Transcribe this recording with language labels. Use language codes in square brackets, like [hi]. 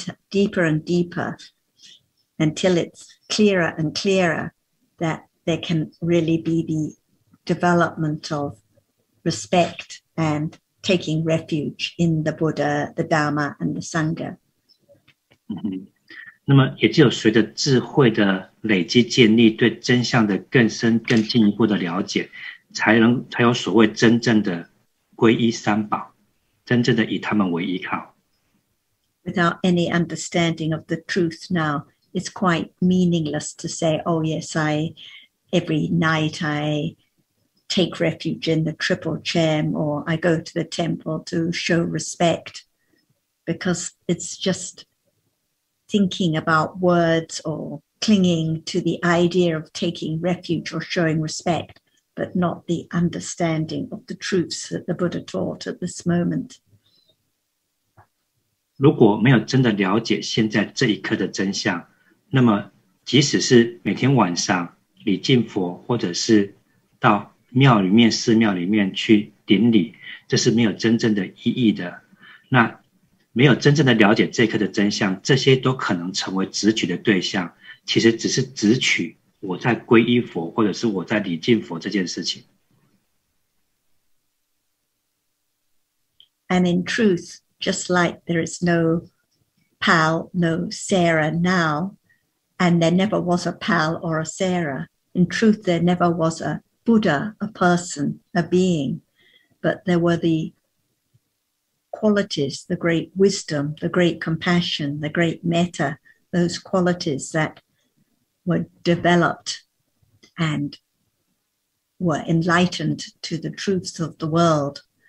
[en] deeper and deeper until it's clearer and clearer that there can really be the development of respect and taking refuge in the Buddha, the Dhamma and the Sangha. [zh] 那么也只有随着智慧的累积建立，对真相的更深更进一步的了解，才有所谓真正的皈依三宝，真正的以他们为依靠。 [en] Without any understanding of the truth now, it's quite meaningless to say, oh yes, every night I take refuge in the triple chair or I go to the temple to show respect, because it's just thinking about words or clinging to the idea of taking refuge or showing respect, but not the understanding of the truths that the Buddha taught at this moment. [zh] 如果没有真的了解现在这一刻的真相，那么即使是每天晚上礼敬佛，或者是到庙里面、寺庙里面去顶礼，这是没有真正的意义的。那没有真正的了解这一刻的真相，这些都可能成为执取的对象，其实只是执取我在皈依佛，或者是我在礼敬佛这件事情。 [en] And in truth,Just like there is no Pal, no Sarah now, and there never was a Pal or a Sarah. In truth, there never was a Buddha, a person, a being, but there were the qualities, the great wisdom, the great compassion, the great metta, those qualities that were developed and were enlightened to the truths of the world.